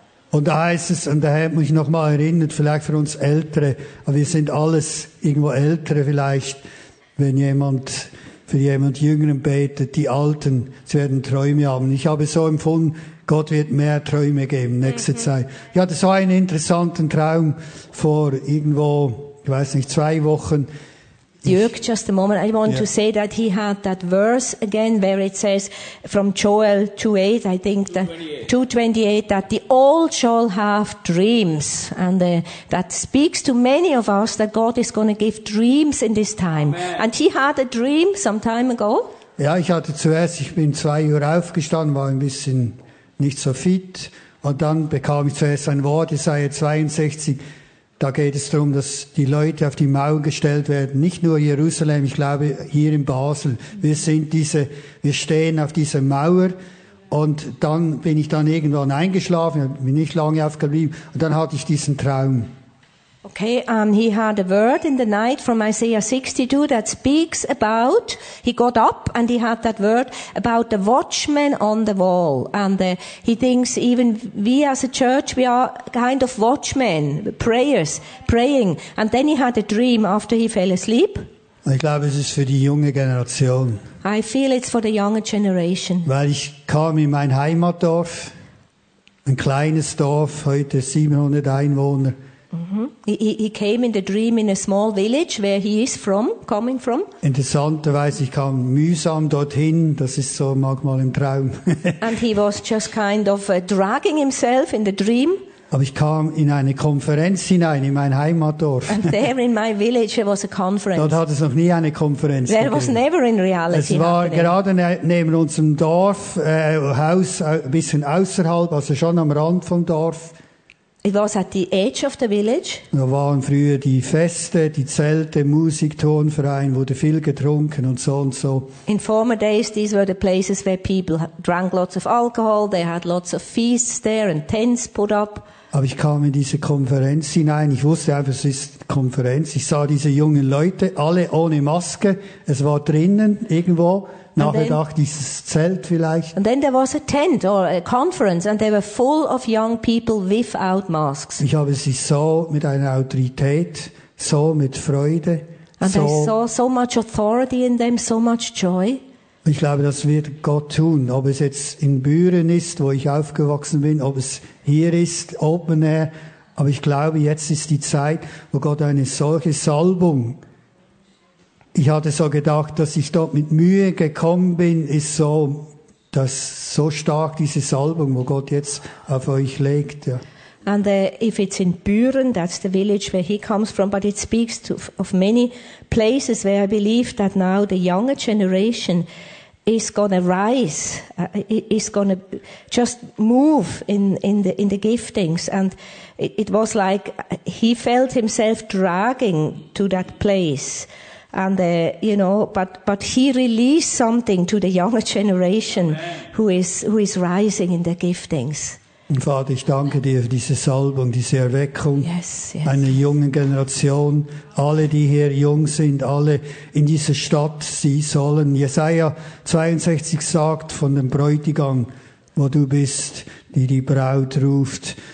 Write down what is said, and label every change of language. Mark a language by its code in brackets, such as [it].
[de] Und da heißt es, und der Herr hat mich nochmal erinnert, vielleicht für uns Ältere, aber wir sind alles irgendwo Ältere vielleicht, wenn jemand für jemand Jüngeren betet, die Alten, sie werden Träume haben. Ich habe so empfunden, Gott wird mehr Träume geben nächste Zeit. Ich hatte so einen interessanten Traum vor irgendwo, ich weiß nicht, 2 Wochen. [en] Jörg, just a moment, I want to say that he had that verse again, where it says, from Joel 2:8, I think, 2:28, that the old shall have dreams, and that speaks to many of us that God is going to give dreams in this time. Amen. And he had a dream some time ago. [de] Ja, ich hatte zuerst, ich bin 2 Uhr aufgestanden, war ein bisschen nicht so fit, und dann bekam ich zuerst ein Wort, Jesaja 62, da geht es darum, dass die Leute auf die Mauer gestellt werden. Nicht nur Jerusalem, ich glaube hier in Basel. Wir stehen auf dieser Mauer. Und dann bin ich dann irgendwann eingeschlafen, bin nicht lange aufgeblieben. Und dann hatte ich diesen Traum. [en] Okay, he had a word in the night from Isaiah 62 that speaks about, he got up and he had that word about the watchman on the wall. And he thinks even we as a church, we are kind of watchmen, prayers, praying. And then he had a dream after he fell asleep. [de] Ich glaube, es ist für die junge Generation. [en] I feel it's for the younger generation. [de] Weil ich kam in mein Heimatdorf, ein kleines Dorf, heute 700 Einwohner. Mm-hmm. [en] He came in the dream in a small village where he is from, coming from. [de] Interessanterweise, ich kam mühsam dorthin, das ist so manchmal im Traum. [en] And he was just kind of dragging himself in the dream. [de] Aber ich kam in eine Konferenz hinein, in mein Heimatdorf. [en] And there in my village there was a conference. [de] Dort hat es noch nie eine Konferenz gegeben. [en] There was never in reality. [de] Es war gerade neben unserem Dorf, Haus, ein bisschen außerhalb, also schon am Rand vom Dorf. [en] It was at the edge of the village. [de] Da waren früher die Feste, die Zelte, Musik, Turnverein, wurde viel getrunken und so. [en] In former days, these were the places where people drank lots of alcohol. They had lots of feasts there and tents put up. [de] Aber ich kam in diese Konferenz hinein. Ich wusste einfach, es ist Konferenz. Ich sah diese jungen Leute, alle ohne Maske. Es war drinnen irgendwo. Nachher dachte ich, dieses Zelt vielleicht. [en] And then there was a tent or a conference and they were full of young people without masks. [de] Ich habe sie so mit einer Autorität, so mit Freude. [en] And so, I saw so much authority in them, so much joy. [de] Ich glaube, das wird Gott tun. Ob es jetzt in Büren ist, wo ich aufgewachsen bin, ob es hier ist, Open Air. Aber ich glaube, jetzt ist die Zeit, wo Gott eine solche Salbung. Ich hatte so gedacht, dass ich dort mit Mühe gekommen bin, ist so, dass so stark diese Salbung, wo Gott jetzt auf euch legt. Ja. [en] And if it's in Büren, that's the village where he comes from, but it speaks to, of many places where I believe that now the younger generation is going to rise, is going to just move in the giftings. And it was like he felt himself dragging to that place. And you know, but he released something to the younger generation who is rising in their giftings. [de] Und Vater, ich danke dir für diese Salbung, diese Erweckung, [en] yes, yes, [de] einer jungen Generation, alle, die hier jung sind, alle in dieser Stadt, sie sollen. Jesaja 62 sagt von dem Bräutigam, wo du bist, die Braut ruft.